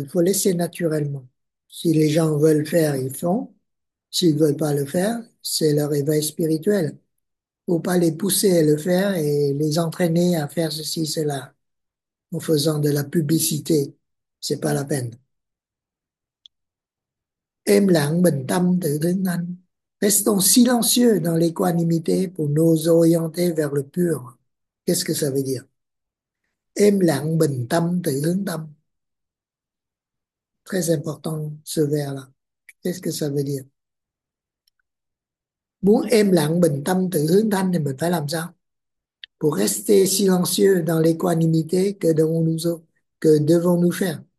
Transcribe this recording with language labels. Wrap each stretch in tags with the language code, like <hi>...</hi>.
<fr>Il faut laisser naturellement. Si les gens veulent le faire, ils font. S'ils ne veulent pas le faire, c'est leur éveil spirituel. Il ne faut pas les pousser à le faire et les entraîner à faire ceci, cela, en faisant de la publicité. Ce n'est pas la peine.</fr> <vi>Im lặng bình tâm tự tính anh.</vi> <fr>Restons silencieux dans l'équanimité pour nous orienter vers le pur. Qu'est-ce que ça veut dire?</fr> <vi>Im lặng bình tâm tự hướng tâm.</vi> <fr>Très important ce verbe-là. Qu'est-ce que ça veut dire?</fr> <vi>Muốn êm lặng bình tâm tự hướng thanh thì mình phải làm sao?</vi> <fr>Pour rester silencieux dans l'équanimité, que devons-nous faire?</fr>